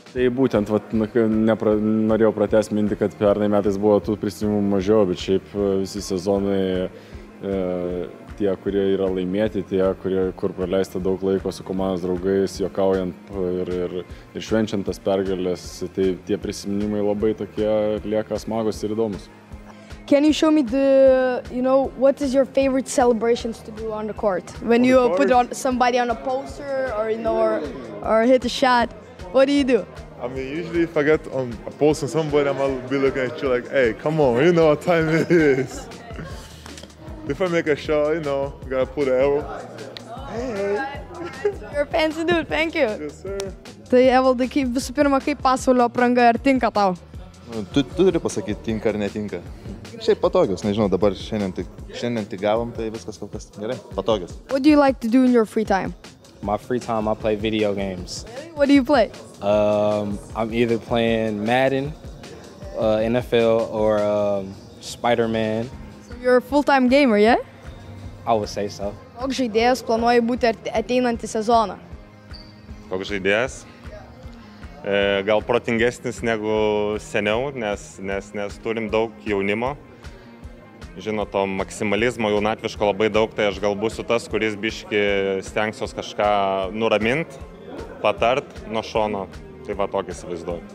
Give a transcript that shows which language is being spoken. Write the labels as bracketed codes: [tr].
[lt] Tai būtent, norėjau pratęs minti, kad pernai metais buvo tų prisiminimų mažiau, bet šiaip visi sezonai, tie, kurie yra laimėti, tie, kur praleista daug laiko su komandos draugais, jokaujant ir švenčiant tas pergalės, tai tie prisiminimai labai tokie lieka smagus ir įdomus. [en] Can you show me the, you know, what is your favorite celebrations to do on the court? When you put on somebody on a poster or, you know, or hit a shot, what do? I mean, usually if I get on a poster on somebody, I'm gonna be looking at you like, hey, come on, you know what time it is. If I make a shot, you know, you gotta put an arrow. Hey. You're a fancy dude, thank you. Yes, sir. [lt] Tai, Evaldai, kaip visų pirma, kaip Pasvalio apranga, ar tinka tau? Tu turi pasakyti, tinka ar netinka. Šiaip patogios, nežinau, dabar šiandien tik gavom, tai viskas kol kas gerai, patogios. [en] What do you like to do in your free time? My free time, I play video games. What do you play? I'm either playing Madden, NFL, or Spider-Man. So you're a full-time gamer, yeah? I would say so. [lt] Koks žaidėjas planuoji būti ateinantį sezoną? Koks žaidėjas? Gal protingesnis negu seniau, nes turim daug jaunimo. Žinot, to maksimalizmo jaunatviško labai daug, tai aš gal būsiu tas, kuris biški stengsios kažką nuramint, patart nuo šono. Tai va tokį įsivaizduoju.